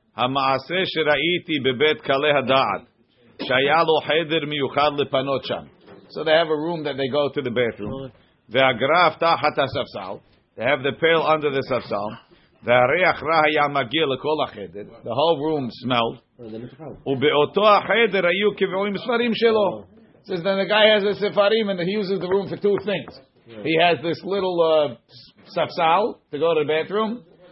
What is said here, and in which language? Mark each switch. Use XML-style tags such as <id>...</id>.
<he>המעשה שראיתי בבית קלה הדעת, שהיה לו חדר מיוחד לפנות שם.</he> <en>So they have a room that they go to the bathroom.</en> <he>והגרף תחת הספסל.</he> <en>They have the pail under the</en> <he>ספסל. והריח רע היה מגיע לכל החדר.</he> <en>The whole room smelled.</en> <he>ובאותו החדר היו קבועים ספרים שלו.</he> <en>Says then the guy has a ספרים and he uses the room for two things. He has this little ספסל to go to the bathroom.</en>